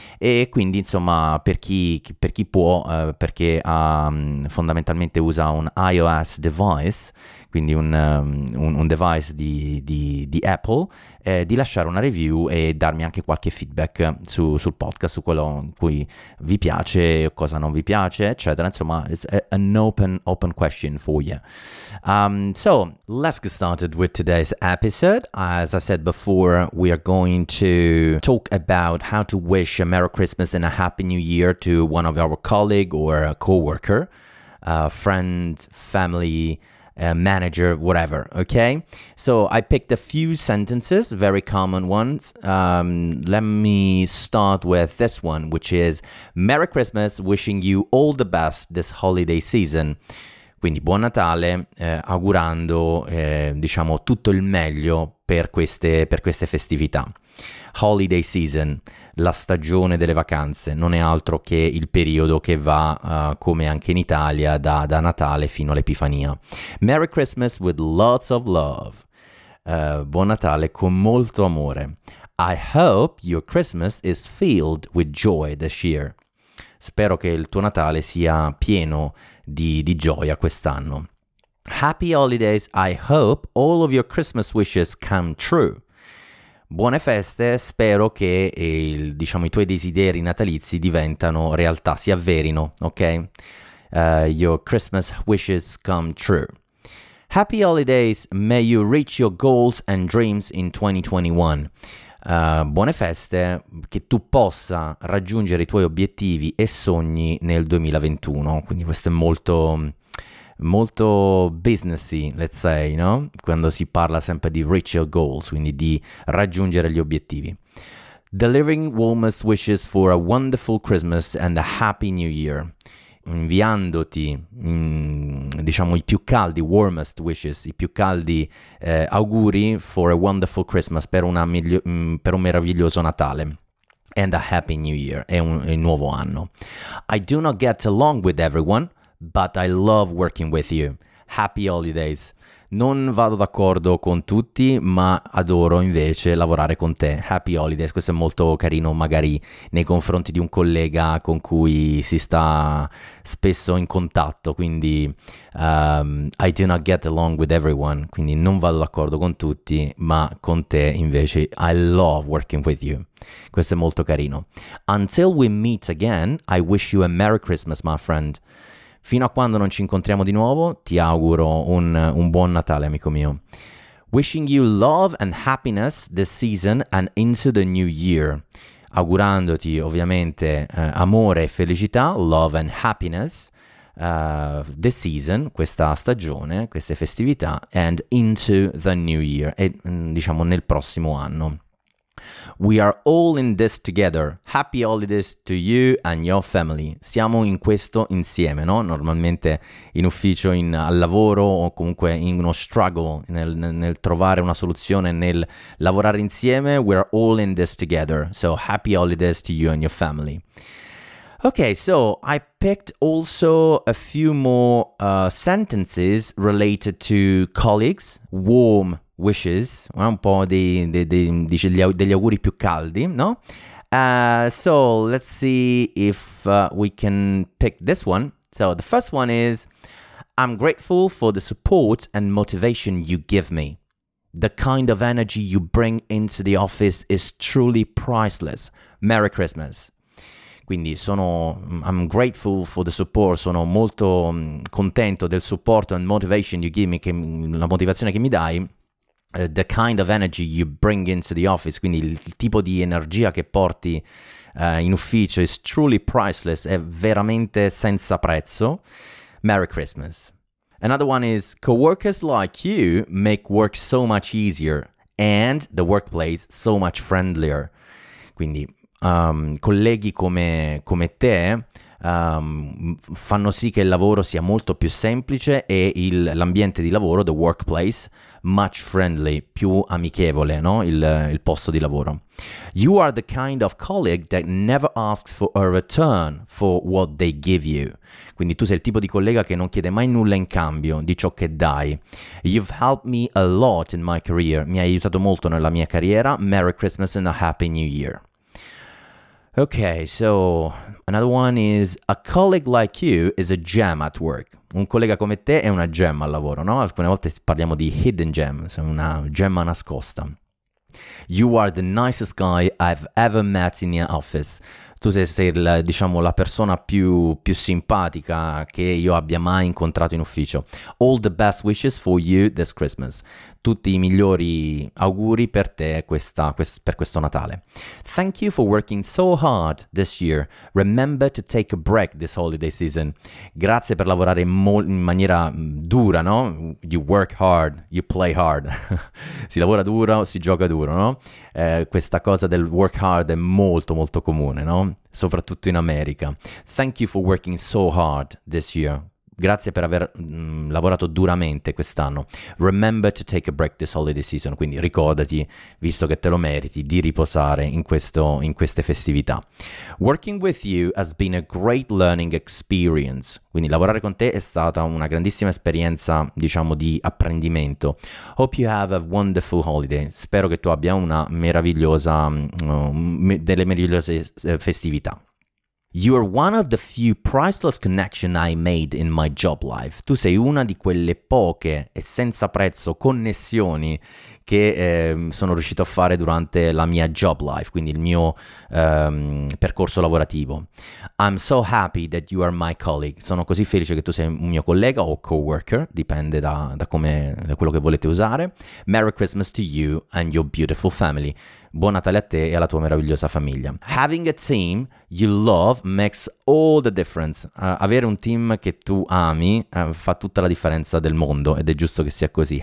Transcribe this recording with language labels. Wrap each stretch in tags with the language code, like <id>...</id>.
<it>E quindi insomma per chi può, perché fondamentalmente usa un iOS device, quindi un device di Apple, di lasciare una review e darmi anche qualche feedback sul podcast, su quello in cui vi piace o cosa non vi piace, eccetera. Insomma,</it> <en>it's an open question for you. So let's get started with today's episode. As I said before, we are going to talk about how to wish a Merry Christmas and a Happy New Year to one of our colleague or a co-worker, a friend, family, manager, whatever. Okay, so I picked a few sentences, very common ones. Let me start with this one, which is Merry Christmas, wishing you all the best this holiday season.</en> <it>Quindi Buon Natale, augurando diciamo tutto il meglio per queste festività. Holiday season, la stagione delle vacanze, non è altro che il periodo che va, come anche in Italia, da Natale fino all'Epifania.</it> <en>Merry Christmas with lots of love.</en> <it>Buon Natale con molto amore.</it> <en>I hope your Christmas is filled with joy this year.</en> <it>Spero che il tuo Natale sia pieno di gioia quest'anno.</it> <en>Happy holidays. I hope all of your Christmas wishes come true.</en> <it>Buone feste, spero che i tuoi desideri natalizi diventano realtà, si avverino, ok?</it> <en>Your Christmas wishes come true. Happy holidays, may you reach your goals and dreams in 2021.</en> <it>Buone feste, che tu possa raggiungere i tuoi obiettivi e sogni nel 2021. Quindi questo è molto, molto businessy,</it> <en>let's say,</en> <it>no? Quando si parla sempre di</it> <en>reach your goals,</en> <it>quindi di raggiungere gli obiettivi.</it> <en>Delivering warmest wishes for a wonderful Christmas and a happy new year.</en> <it>Inviandoti, diciamo, i più caldi,</it> <en>warmest wishes,</en> <it>i più caldi auguri</it> <en>for a wonderful Christmas,</en> <it>per un meraviglioso Natale.</it> <en>And a happy new year,</en> <it>è un nuovo anno.</it> <en>I do not get along with everyone, but I love working with you. Happy holidays.</en> <it>Non vado d'accordo con tutti, ma adoro invece lavorare con te.</it> <en>Happy holidays,</en> <it>questo è molto carino magari nei confronti di un collega con cui si sta spesso in contatto, quindi</it> <en>I do not get along with everyone,</en> <it>quindi non vado d'accordo con tutti, ma con te invece</it> <en>I love working with you.</en> <it>Questo è molto carino.</it> <en>Until we meet again, I wish you a Merry Christmas, my friend.</en> <it>Fino a quando non ci incontriamo di nuovo, ti auguro un buon Natale, amico mio.</it> <en>Wishing you love and happiness this season and into the new year.</en> <it>Augurandoti, ovviamente, amore e felicità,</it> <en>love and happiness, this season,</en> <it>questa stagione, queste festività,</it> <en>and into the new year,</en> <it>e diciamo nel prossimo anno.</it> <en>We are all in this together. Happy holidays to you and your family.</en> <it>Siamo in questo insieme, no? Normalmente in ufficio, al lavoro o comunque in uno struggle nel trovare una soluzione, nel lavorare insieme.</it> <en>We are all in this together. So happy holidays to you and your family. Okay, so I picked also a few more sentences related to colleagues. Warm wishes,</en> <it>un po' degli auguri più caldi, no?</it> <en>So let's see if we can pick this one. So the first one is, I'm grateful for the support and motivation you give me. The kind of energy you bring into the office is truly priceless. Merry Christmas.</en> <it>Quindi</it> <en>I'm grateful for the support,</en> <it>sono molto contento del supporto</it> <en>and motivation you give me,</en> <it>la motivazione che mi dai.</it> <en>The kind of energy you bring into the office,</en> <it>quindi il tipo di energia che porti in ufficio</it> <en>is truly priceless,</en> <it>è veramente senza prezzo.</it> <en>Merry Christmas. Another one is, coworkers like you make work so much easier and the workplace so much friendlier.</en> <it>Quindi colleghi come te fanno sì che il lavoro sia molto più semplice e l'ambiente di lavoro,</it> <en>the workplace, much friendly,</en> <it>più amichevole, no? Il posto di lavoro.</it> <en>You are the kind of colleague that never asks for a return for what they give you.</en> <it>Quindi tu sei il tipo di collega che non chiede mai nulla in cambio di ciò che dai.</it> <en>You've helped me a lot in my career.</en> <it>Mi hai aiutato molto nella mia carriera.</it> <en>Merry Christmas and a Happy New Year. Okay, so another one is, a colleague like you is a gem at work.</en> <it>Un collega come te è una gemma al lavoro, no? Alcune volte parliamo di</it> <en>hidden gems,</en> <it>una gemma nascosta.</it> <en>You are the nicest guy I've ever met in the office.</en> <it>Tu sei la persona più simpatica che io abbia mai incontrato in ufficio.</it> <en>All the best wishes for you this Christmas.</en> <it>Tutti i migliori auguri per te per questo Natale.</it> <en>Thank you for working so hard this year. Remember to take a break this holiday season.</en> <it>Grazie per lavorare in maniera dura, no?</it> <en>You work hard, you play hard.</en> <it>Si lavora duro, si gioca duro, no? Questa cosa del</it> <en>work hard</en> <it>è molto molto comune, no? Soprattutto in America.</it> <en>Thank you for working so hard this year.</en> <it>Grazie per aver lavorato duramente quest'anno.</it> <en>Remember to take a break this holiday season.</en> <it>Quindi ricordati, visto che te lo meriti, di riposare in queste festività.</it> <en>Working with you has been a great learning experience.</en> <it>Quindi lavorare con te è stata una grandissima esperienza, diciamo, di apprendimento.</it> <en>Hope you have a wonderful holiday.</en> <it>Spero che tu abbia una meravigliosa, delle meravigliose festività.</it> <en>You are one of the few priceless connections I made in my job life.</en> <it>Tu sei una di quelle poche e senza prezzo connessioni che sono riuscito a fare durante la mia</it> <en>job life,</en> <it>quindi il mio percorso lavorativo.</it> <en>I'm so happy that you are my colleague.</en> <it>Sono così felice che tu sei un mio collega o co-worker, dipende da quello che volete usare.</it> <en>Merry Christmas to you and your beautiful family.</en> <it>Buon Natale a te e alla tua meravigliosa famiglia.</it> <en>Having a team you love makes all the difference.</en> <it>Avere un team che tu ami fa tutta la differenza del mondo ed è giusto che sia così.</it>